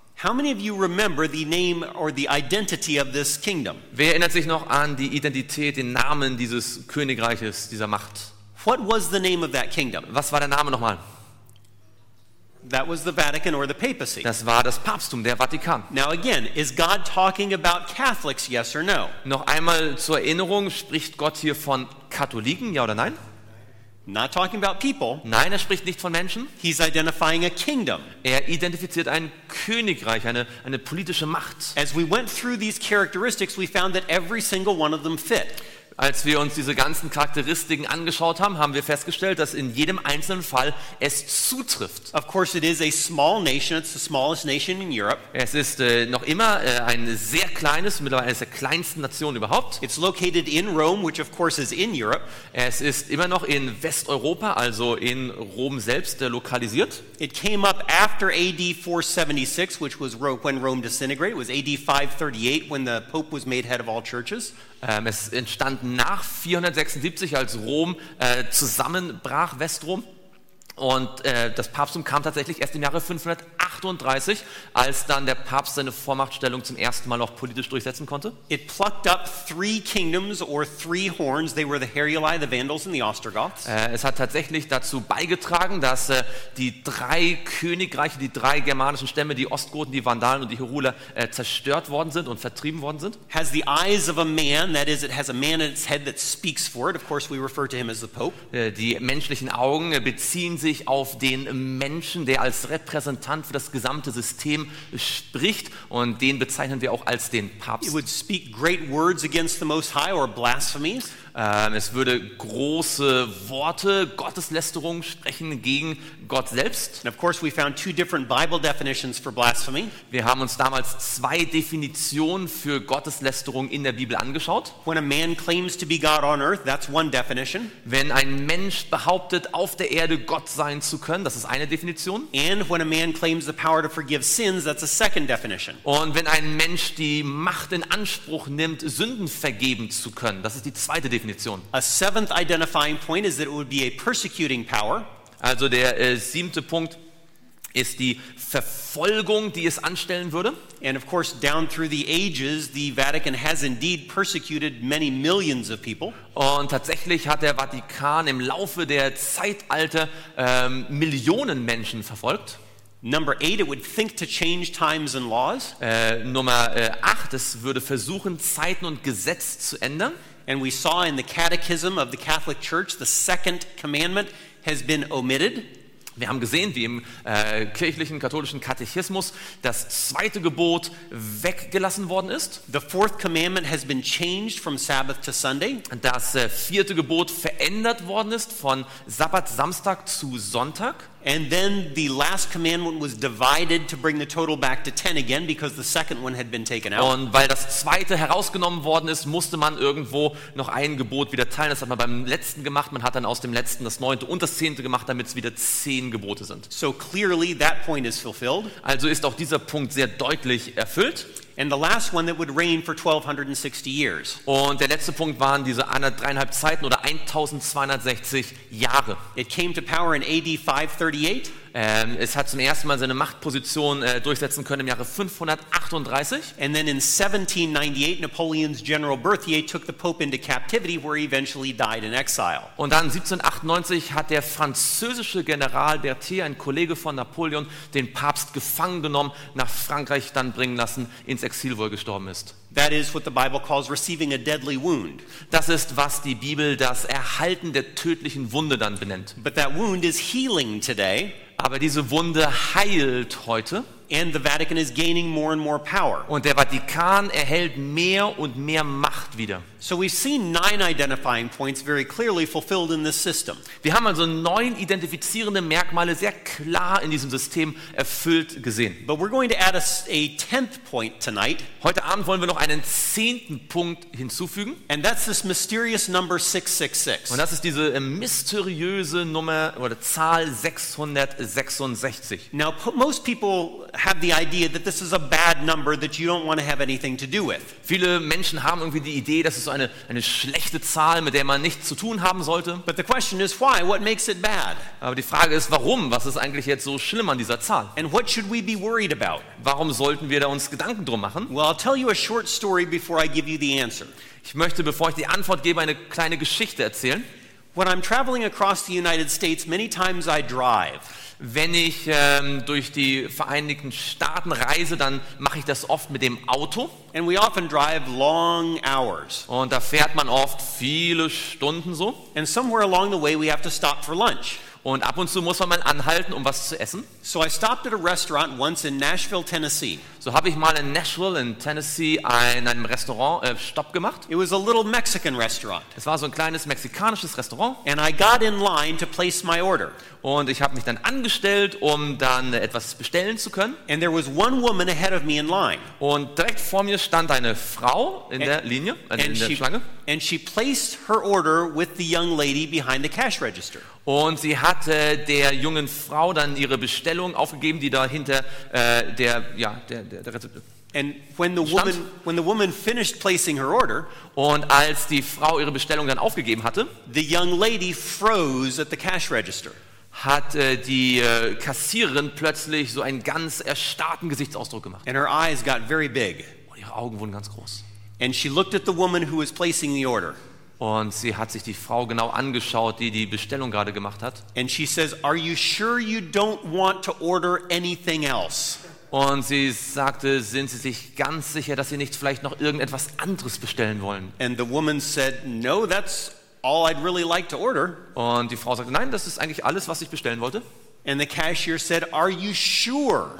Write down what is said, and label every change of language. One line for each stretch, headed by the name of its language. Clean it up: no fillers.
English: How many of you remember the name or the identity of this kingdom?
German: Wer erinnert sich noch an die Identität, den Namen dieses Königreiches, dieser Macht?
English: What was the name of that kingdom?
German: Was war der Name nochmal?
English: That was the Vatican or the papacy.
German: Das war das Papsttum, der Vatikan.
English: Now again, is God talking about Catholics, yes or no?
German: Noch einmal zur Erinnerung, spricht Gott hier von Katholiken, ja oder nein?
English: Not talking about people.
German: Nein, er spricht nicht von Menschen.
English: He's identifying a kingdom.
German: Er identifiziert ein Königreich, eine politische Macht.
English: As we went through these characteristics, we found that every single one of them fit.
German: Als wir uns diese ganzen Charakteristiken angeschaut haben, haben wir festgestellt, dass in jedem einzelnen Fall es zutrifft.
English: Of course it is a small nation, it's the smallest nation in Europe.
German: Es ist noch immer ein sehr kleines, mittlerweile eines der kleinsten Nationen überhaupt.
English: It's located in Rome, which of course is in Europe.
German: Es ist immer noch in Westeuropa, also in Rom selbst lokalisiert.
English: It came up after AD 476, which was when Rome disintegrated. It was AD 538 when the Pope was made head of all churches.
German: Es entstand nach 476, als Rom zusammenbrach, Westrom. Und das Papsttum kam tatsächlich erst im Jahre 538, als dann der Papst seine Vormachtstellung zum ersten Mal auch politisch durchsetzen konnte.
English: It plucked up 3 kingdoms or 3 horns. They were the Heruli, the Vandals and the Ostrogoths.
German: Es hat tatsächlich dazu beigetragen, dass die 3 Königreiche, die 3 germanischen Stämme, die Ostgoten, die Vandalen und die Heruler zerstört worden sind und vertrieben worden sind.
English: Has the eyes of a man, that is, it has a man in its head that speaks for it. Of course, we refer to him as the Pope.
German: Die menschlichen Augen beziehen sich auf den Menschen, der als Repräsentant für das gesamte System spricht, und den bezeichnen wir auch als den Papst.
English: It would speak great words against the Most High or blasphemies.
German: Es würde große Worte, Gotteslästerung sprechen gegen Gott selbst.
English: And of course we found 2 different Bible definitions for blasphemy.
German: Wir haben uns damals 2 Definitionen für Gotteslästerung in der Bibel angeschaut.
English: When a man claims to be God on earth, that's one definition.
German: Wenn ein Mensch behauptet, auf der Erde Gott sein zu können, das ist eine Definition.
English: And when a man claims the power to forgive sins, that's a second definition.
German: Und wenn ein Mensch die Macht in Anspruch nimmt, Sünden vergeben zu können, das ist die zweite Definition.
English: A 7th identifying point is that it would be a persecuting power.
German: Also der 7. Punkt ist die Verfolgung, die es anstellen würde.
English: And of course down through the ages the Vatican has indeed persecuted many millions of people.
German: Und tatsächlich hat der Vatikan im Laufe der Zeitalter Millionen Menschen verfolgt.
English: Number 8, it would think to change times and laws.
German: Nummer 8, es würde versuchen, Zeiten und Gesetze zu ändern.
English: And we saw in the Catechism of the Catholic Church, the second commandment has been omitted.
German: Wir haben gesehen, wie im kirchlichen katholischen Katechismus das zweite Gebot weggelassen worden ist.
English: The fourth commandment has been changed from Sabbath to Sunday.
German: Das vierte Gebot verändert worden ist von Sabbat, Samstag zu Sonntag.
English: And then the last commandment was divided to bring the total back to 10 again because the second one had been taken out.
German: Und weil das zweite herausgenommen worden ist, musste man irgendwo noch ein Gebot wieder teilen. Das hat man beim letzten gemacht. Man hat dann aus dem letzten das neunte und das zehnte gemacht, damit es wieder 10 Gebote sind.
English: So clearly that point is fulfilled.
German: Also ist auch dieser Punkt sehr deutlich erfüllt.
English: And the last one that would reign for 1260 years.
German: Und der letzte Punkt waren diese 1,5 Zeiten oder 1260 Jahre.
English: It came to power in AD 538.
German: Es hat zum ersten Mal seine Machtposition durchsetzen können im Jahre 538.
English: And then in 1798 Napoleon's General Berthier took the Pope into captivity where he eventually died in exile.
German: Und dann 1798 hat der französische General Berthier, ein Kollege von Napoleon, den Papst gefangen genommen, nach Frankreich dann bringen lassen, ins Exil, wo er gestorben ist.
English: That is what the Bible calls receiving a deadly wound.
German: Das ist, was die Bibel das Erhalten der tödlichen Wunde dann benennt.
English: But that wound is healing today.
German: Aber diese Wunde heilt heute.
English: And the Vatican is gaining more and more power.
German: Und der Vatikan erhält mehr und mehr Macht wieder.
English: So we've seen 9 identifying points very clearly fulfilled in this system.
German: Wir haben also 9 identifizierende Merkmale sehr klar in diesem System erfüllt gesehen.
English: But we're going to add a 10th point tonight.
German: Heute Abend wollen wir noch einen 10. Punkt hinzufügen.
English: And that's this mysterious number 666.
German: Und das ist diese mysteriöse Nummer oder Zahl 666.
English: Now most people have the idea that this is a bad number that you don't want to have anything to do with.
German: Viele Menschen haben irgendwie die Idee, dass es eine schlechte Zahl, mit der man nichts zu tun haben sollte.
English: But the question is why? What makes it bad?
German: Aber die Frage ist, warum? Was ist eigentlich jetzt so schlimm an dieser Zahl?
English: And what should we be worried about?
German: Warum sollten wir da uns Gedanken drum machen?
English: Well, I'll tell you a short story before I give you the answer.
German: Ich möchte, bevor ich die Antwort gebe, eine kleine Geschichte erzählen.
English: When I'm traveling across the United States, many times I drive.
German: Wenn ich durch die Vereinigten Staaten reise, dann mache ich das oft mit dem Auto.
English: And we often drive long hours.
German: Und da fährt man oft viele Stunden so.
English: And somewhere along the way we have to stop for lunch.
German: Und ab und zu muss man mal anhalten, um was zu essen.
English: So I stopped at a restaurant once in Nashville, Tennessee.
German: So habe ich mal in Nashville in Tennessee in einem Restaurant Stopp gemacht.
English: It was a little Mexican restaurant.
German: Es war so ein kleines mexikanisches Restaurant.
English: And I got in line to place my order.
German: Und ich habe mich dann angestellt, um dann etwas bestellen zu können.
English: And there was one woman ahead of me in line.
German: Und direkt vor mir stand eine Frau in der Linie, in der Schlange.
English: And she placed her order with the young lady behind the cash register.
German: Und sie hatte der jungen Frau dann ihre Bestellung aufgegeben, die da hinter der Rezeption.
English: And when the woman finished placing her order,
German: und als die Frau ihre Bestellung dann aufgegeben hatte,
English: the young lady froze at the cash register.
German: Hat die Kassiererin plötzlich so einen ganz erstarrten Gesichtsausdruck gemacht.
English: And her eyes got very big.
German: Und ihre Augen wurden ganz groß.
English: And she looked at the woman who was placing the order.
German: Und sie hat sich die Frau genau angeschaut, die die Bestellung gerade gemacht hat.
English: And she says, "Are you sure you don't want to order anything else?"
German: Und sie sagte, sind Sie sich ganz sicher, dass Sie nicht vielleicht noch irgendetwas anderes bestellen wollen?
English: And the woman said, "No, that's all I'd really like to order."
German: Und die Frau sagte, nein, das ist eigentlich alles, was ich bestellen wollte.
English: And the cashier said, "Are you sure?"